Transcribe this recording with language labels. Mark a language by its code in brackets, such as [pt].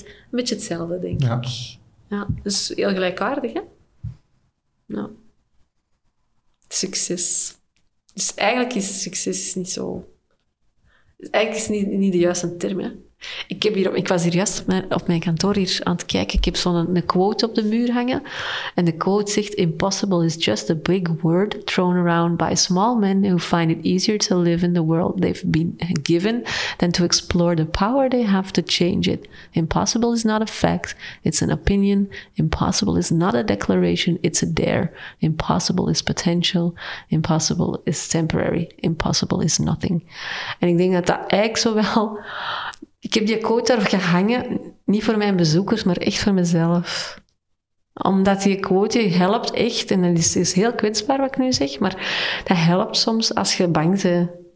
[nl] Een beetje hetzelfde, denk ik. Ja, dus heel gelijkaardig, hè? Nou. Succes. Dus eigenlijk is succes niet zo... Eigenlijk is het niet de juiste term, hè. Ik was hier juist op mijn kantoor hier aan het kijken. Ik heb zo'n quote op de muur hangen. En de quote zegt, [en] impossible is just a big word thrown around by small men who find it easier to live in the world they've been given than to explore the power they have to change it. Impossible is not a fact, it's an opinion. Impossible is not a declaration, it's a dare. Impossible is potential. Impossible is temporary. Impossible is nothing. [nl] En ik denk dat eigenlijk zowel... Ik heb die quote daar gehangen, niet voor mijn bezoekers, maar echt voor mezelf. Omdat die quote helpt echt, en dat is heel kwetsbaar wat ik nu zeg, maar dat helpt soms als je bang bent.